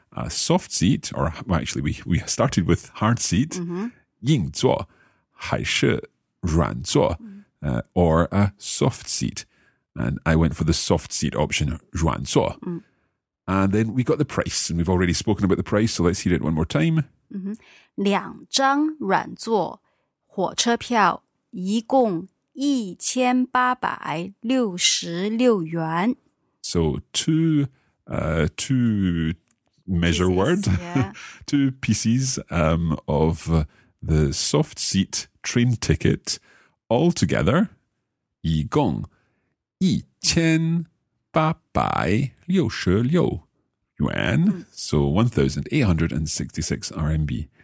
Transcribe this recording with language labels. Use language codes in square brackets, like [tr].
[en] A soft seat, or well, actually we started with hard seat, [zh] 硬座还是软座, [en] or a soft seat. And I went for the soft seat option, 软座. And then we got the price, and we've already spoken about the price, so let's hear it one more time. [zh] 两张软座火车票一共一千八百六十六元. [en] So two measure pieces, word, two pieces of the soft seat train ticket altogether, [zh] 一共一千八百六十六元, [en] so 1,866 RMB.